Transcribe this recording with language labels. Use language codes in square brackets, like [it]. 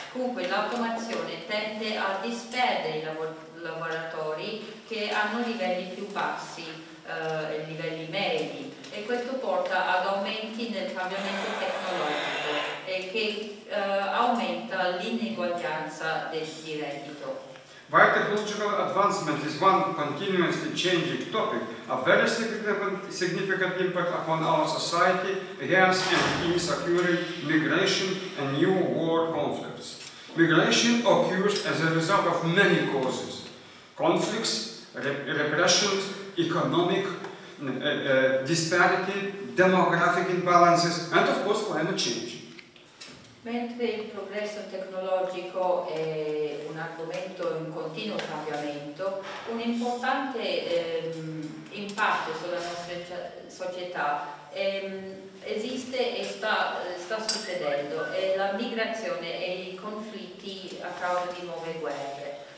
[it] Comunque l'automazione tende a disperdere i lavoratori che hanno livelli più bassi, livelli medi, e questo porta ad aumenti nel cambiamento tecnologico e che aumenta l'ineguaglianza del reddito. [en] While technological advancement is one continuously changing topic, a very significant impact upon our society has been insecurity, migration and new war conflicts. Migration occurs as a result of many causes. Conflicts, repressions, economic disparity, demographic imbalances and of course climate change. [it] Mentre il progresso tecnologico è un argomento in continuo cambiamento, un importante impatto sulla nostra società esiste e sta succedendo, è la migrazione e i conflitti a causa di nuove guerre.